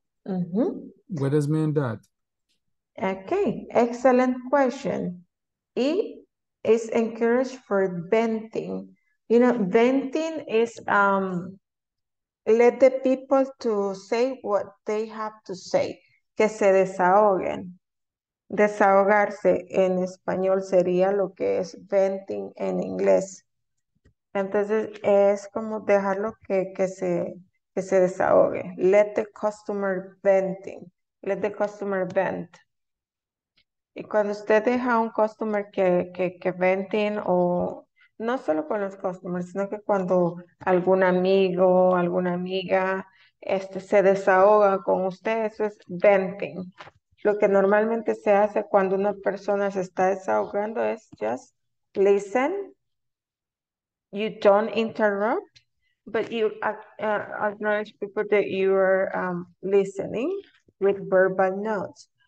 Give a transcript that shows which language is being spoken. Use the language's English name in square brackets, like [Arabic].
[English] What does mean that? Okay, excellent question. E is encouraged for venting. You know, venting is let the people to say what they have to say. [Spanish] Que se desahoguen. Desahogarse en español sería lo que es venting en inglés. Entonces, es como dejarlo que se desahogue. [English] Let the customer venting. Let the customer vent. [Spanish] Y cuando usted deja un customer que venting, o no solo con los customers, sino que cuando algún amigo, alguna amiga, se desahoga con usted, eso es venting. Lo que normalmente se hace cuando una persona se está desahogando es [English] just listen. You don't interrupt, but you acknowledge people that you are listening with verbal notes.